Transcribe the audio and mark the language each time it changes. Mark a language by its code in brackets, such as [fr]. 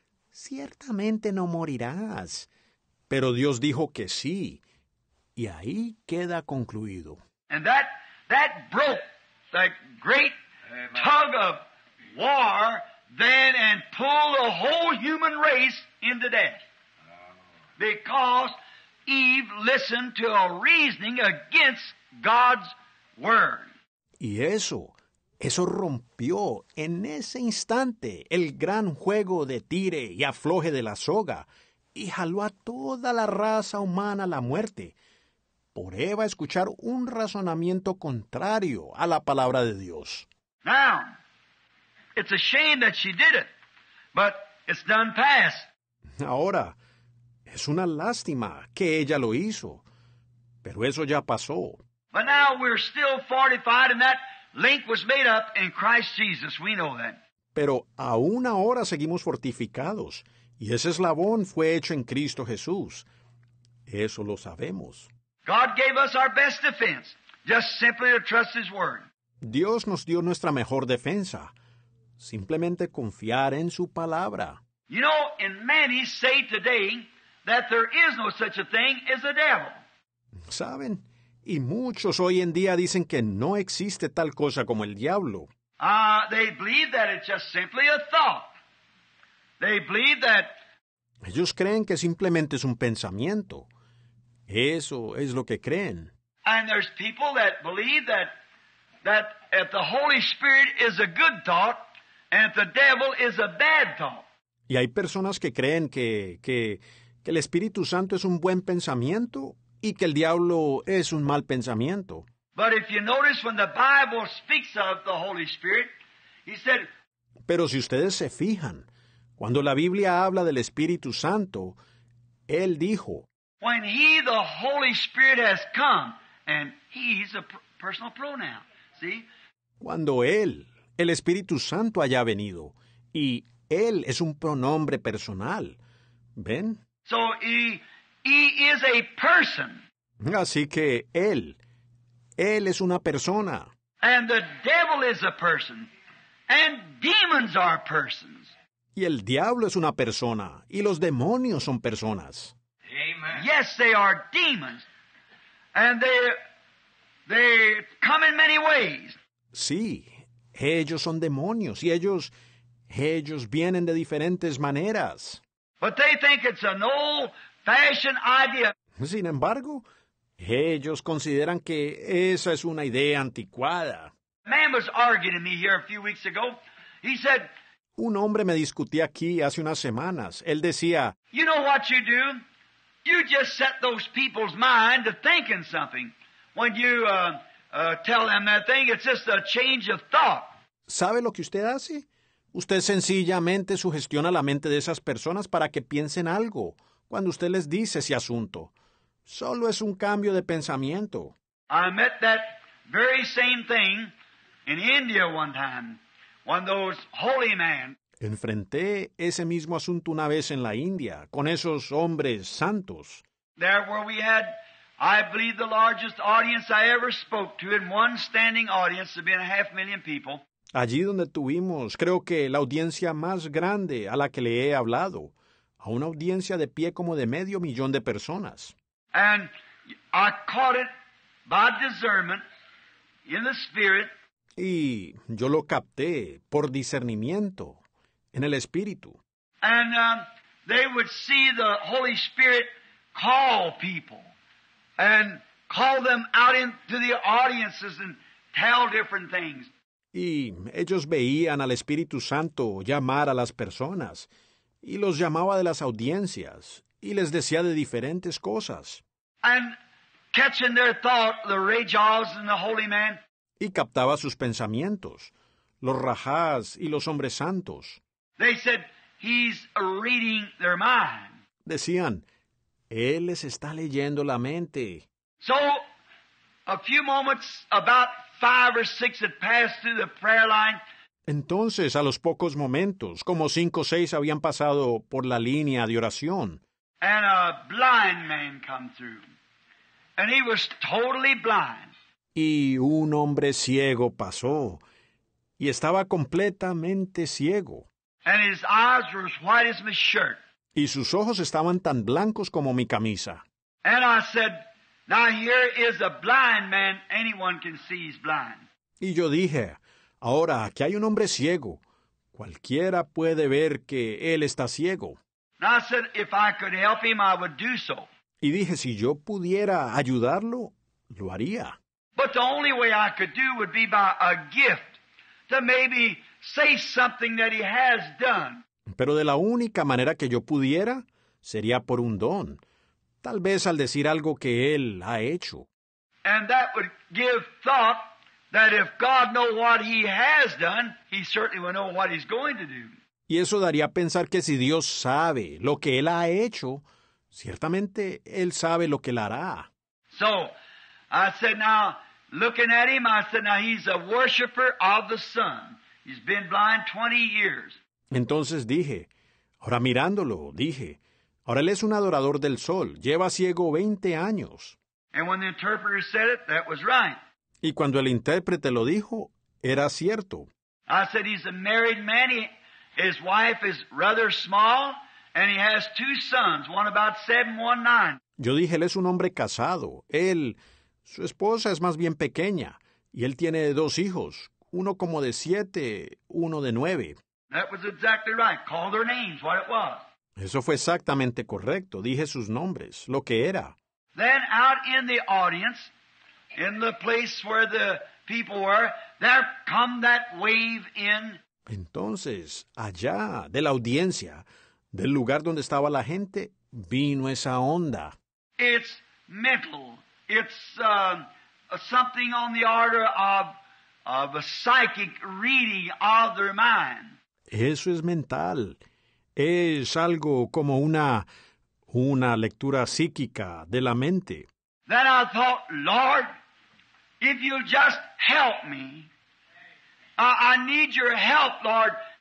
[es] Ciertamente no morirás. Pero Dios dijo que sí. Y ahí queda concluido. [en] And that broke the great tug of war then and pulled the whole human race into death. Because Eve listened to a reasoning against God's word. [es] Y eso rompió en ese instante el gran juego de tire y afloje de la soga y jaló a toda la raza humana a la muerte por Eva escuchar un razonamiento contrario a la palabra de Dios. [en] Now, it's a shame that she did it, but it's done past. [es] Ahora, es una lástima que ella lo hizo, pero eso ya pasó. [en] But now we're still fortified in that link was made up in Christ Jesus. We know that. [es] Pero aún ahora seguimos fortificados, y ese eslabón fue hecho en Cristo Jesús. Eso lo sabemos. [en] God gave us our best defense, just simply to trust His Word. [es] Dios nos dio nuestra mejor defensa, simplemente confiar en Su Palabra. [en] You know, and many say today that there is no such a thing as a devil. [es] ¿Saben? Y muchos hoy en día dicen que no existe tal cosa como el diablo. [en] They believe that it's just simply a thought. They believe that. [es] Ellos creen que simplemente es un pensamiento. Eso es lo que creen. [en] And there's people that believe that if the Holy Spirit is a good thought and if the devil is a bad thought. [es] Y hay personas que creen que el Espíritu Santo es un buen pensamiento y que el diablo es un mal pensamiento. [en] But if you notice when the Bible speaks of the Holy Spirit, he said. [es] Pero si ustedes se fijan, cuando la Biblia habla del Espíritu Santo, él dijo. [en] When he, the Holy Spirit, has come, and he's a personal pronoun, see? [es] Cuando él, el Espíritu Santo, haya venido, y él es un pronombre personal, ¿ven? [en] So he is a person. [es] Así que él es una persona. [en] And the devil is a person, and demons are persons. [es] Y el diablo es una persona, y los demonios son personas. [en] Yes, they are demons, and they come in many ways. [es] Sí, ellos son demonios, y ellos vienen de diferentes maneras. [en] But they think it's an old-fashioned idea. [es] Sin embargo, ellos consideran que esa es una idea anticuada. [en] A man was arguing with me here a few weeks ago. He said. [es] Un hombre me discutía aquí hace unas semanas. Él decía. [en] You know what you do? You just set those people's mind to thinking something. When you tell them that thing, it's just a change of thought. [es] ¿Sabe lo que usted hace? Usted sencillamente sugestiona la mente de esas personas para que piensen algo cuando usted les dice ese asunto. Solo es un cambio de pensamiento. [en] I met that very same thing in India one time, when those holy men. [es] Enfrenté ese mismo asunto una vez en la India, con esos hombres santos. [en] There where we had, I believe, the largest audience I ever spoke to, in one standing audience, there'd been 500,000 people. [es] Allí donde tuvimos, creo que la audiencia más grande a la que le he hablado, a una audiencia de pie como de 500,000 de personas. [en] And I caught it by discernment in the spirit. [es] Y yo lo capté por discernimiento. En el Espíritu. [en] And they would see the Holy Spirit call people. and call them out into the audiences and tell different things. [es] Y ellos veían al Espíritu Santo llamar a las personas, y los llamaba de las audiencias, y les decía de diferentes cosas. [en] And catching their thought, the Rajahs and the holy man. [es] Y captaba sus pensamientos, los Rajahs y los hombres santos. [en] They said, he's reading their mind. [es] Decían, él les está leyendo la mente. [en] So, a few moments, about five or six had passed through the prayer line. [es] Entonces, a los pocos momentos, como cinco o seis habían pasado por la línea de oración. [en] And a blind man come through. And he was totally blind. [es] Y un hombre ciego pasó, y estaba completamente ciego. [en] And his eyes were as white as my shirt. [es] Y sus ojos estaban tan blancos como mi camisa. [en] And I said, now here is a blind man, anyone can see he's blind. [es] Y yo dije, ahora aquí hay un hombre ciego, cualquiera puede ver que él está ciego. [en] And I said, if I could help him, I would do so. [es] Y dije, si yo pudiera ayudarlo, lo haría. [en] But the only way I could do would be by a gift to maybe say something that he has done. [es] Pero de la única manera que yo pudiera sería por un don, tal vez al decir algo que él ha hecho. [en] And that would give thought that if God know what he has done, he certainly will know what he's going to do. [es] Y eso daría a pensar que si Dios sabe lo que él ha hecho, ciertamente él sabe lo que él hará. [en] So, I said, now, looking at him, I said, now, he's a worshiper of the sun. He's been blind 20 years. [es] Entonces dije, ahora mirándolo, dije, ahora él es un adorador del sol, lleva ciego 20 años. [en] And when the interpreter said it, that was right. [es] Y cuando el intérprete lo dijo, era cierto. [en] I said, he's a married man, his wife is rather small, and he has two sons, one about 7, 1, 9. [es] Yo dije, él es un hombre casado, él... Su esposa es más bien pequeña, y él tiene dos hijos, uno como de 7, 1 de 9. [en] That was exactly right. Call their names, what it was. [es] Eso fue exactamente correcto. Dije sus nombres, lo que era. [en] Then out in the audience, in the place where the people were, there come that wave in. [es] Entonces, allá, de la audiencia, del lugar donde estaba la gente, vino esa onda. [en] It's mental. It's something on the order of a psychic reading of their mind. [es] Eso es mental. Es algo como una lectura psíquica de la mente. [en] Then I thought, Lord, if you'll just help me, I need your help, Lord.